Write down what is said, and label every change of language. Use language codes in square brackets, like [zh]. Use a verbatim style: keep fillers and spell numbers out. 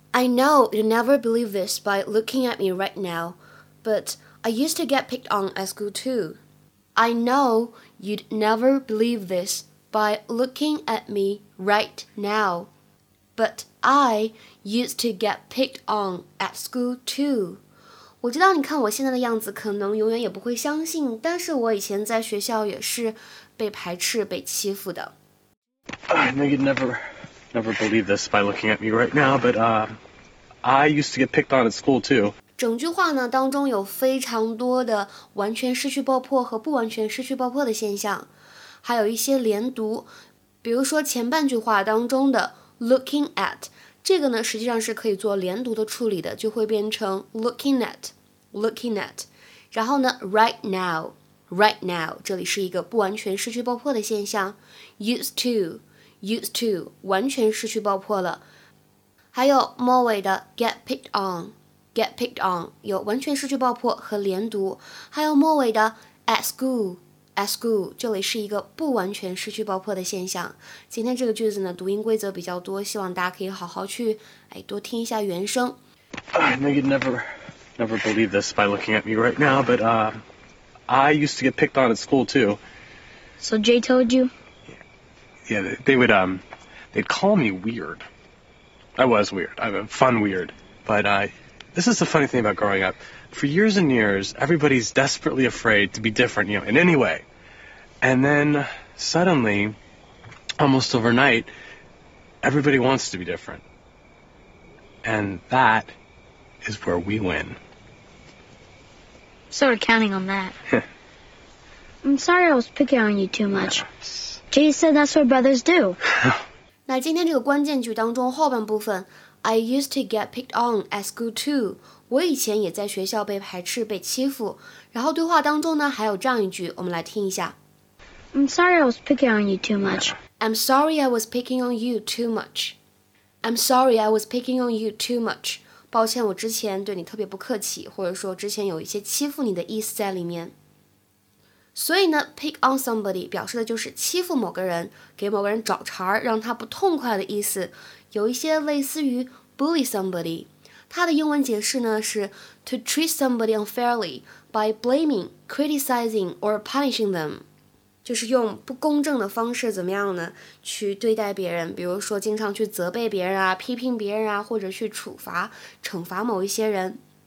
[en] I know you'll never believe this by looking at me right now, but I used to get picked on at school too. I know you'd never believe this by looking at me right now, but I used to get picked on at school too. [zh] 我知道你看我现在的样子可能永远也不会相信，但是我以前在学校也是被排斥、被欺负的。 [en] I know you'd never... Never believe this by looking at me right now, but uh, I used to get picked on at school too. [zh] 整句话呢当中有非常多的完全失去爆破和不完全失去爆破的现象，还有一些连读，比如说前半句话当中的 [en] looking at [zh] 这个呢实际上是可以做连读的处理的，就会变成 [en] looking at, looking at. [zh] 然后呢 [en] right now, right now [zh] 这里是一个不完全失去爆破的现象 [en] used to. Used to [zh] 完全失去爆破了，还有末尾的 [en] get picked on get picked on [zh] 有完全失去爆破和连读，还有末尾的 [en] at school at school [zh] 这里是一个不完全失去爆破的现象。今天这个句子呢读音规则比较多，希望大家可以好好去哎多听一下原声。 [en] I know you'd never never believe this by looking at me right now, but uh, I used to get picked on at school too. So Jay told you. Yeah, they would, um, they'd call me weird. I was weird. I'm fun weird. But, uh, this is the funny thing about growing up. For years and years, everybody's desperately afraid to be different, you know, in any way. And then, suddenly, almost overnight, everybody wants to be different. And that is where we win. So we're counting on that. I'm sorry I was picking on you too much. Jay said that's what brothers do. [zh] 那今天这个关键句当中后半部分 [en] I used to get picked on at school too. [zh] 我以前也在学校被排斥、被欺负。然后对话当中呢还有这样一句，我们来听一下。 [en] I'm sorry I was picking on you too much. I'm sorry I was picking on you too much. I'm sorry I was picking on you too much. [zh] 抱歉，我之前对你特别不客气，或者说之前有一些欺负你的意思在里面。所以呢 [en] pick on somebody [zh] 表示的就是欺负某个人，给某个人找茬，让他不痛快的意思，有一些类似于 [en] bully somebody。 [zh] 它的英文解释呢是 [en] to treat somebody unfairly by blaming, criticizing or punishing them， [zh] 就是用不公正的方式怎么样呢去对待别人，比如说经常去责备别人啊，批评别人啊，或者去处罚惩罚某一些人。